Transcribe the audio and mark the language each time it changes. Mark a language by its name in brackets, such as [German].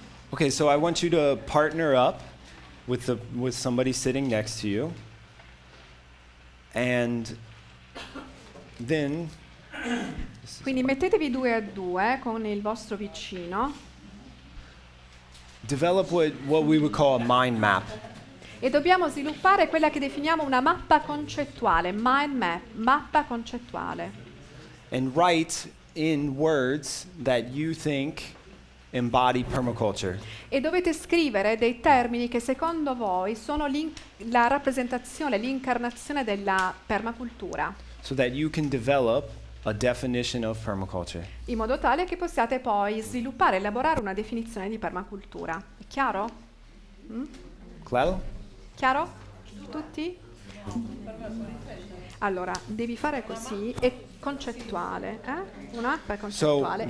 [English] Okay, so I want you to partner up with somebody sitting next to you, and then. [Italian] Quindi mettetevi due a due con il vostro vicino. [English] Develop what we would call a mind map. [Italian] E dobbiamo sviluppare quella che definiamo una mappa concettuale, mind map, mappa concettuale. [English] And write in words that you think. Embody permaculture. [Italian] E dovete scrivere dei termini che secondo voi sono la rappresentazione, l'incarnazione della permacultura. [English] So that you can develop a definition of permaculture. [Italian] In modo tale che possiate poi sviluppare, elaborare una definizione di permacultura. È chiaro? [Spanish] Claro? [Italian] Chiaro? Tutti? Allora, devi fare così e concettuale, eh? Un'app concettuale. [English] So, right.